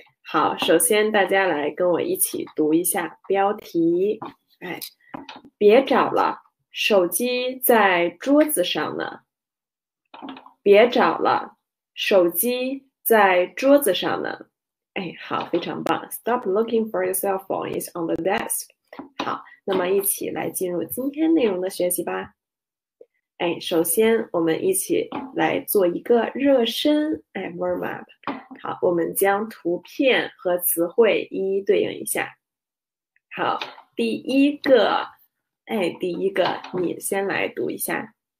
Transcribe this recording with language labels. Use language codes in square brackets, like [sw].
[zh] 好，首先大家来跟我一起读一下标题。哎，别找了，手机在桌子上呢。别找了，手机在桌子上呢。哎，好，非常棒。 [en] Stop looking for your cell phone, it's on the desk. [zh] 好，那么一起来进入今天内容的学习吧。哎，首先我们一起来做一个热身，哎， [en] warm up。 [zh] 好，我们将图片和词汇一一对应一下。好，第一个，哎，第一个，你先来读一下。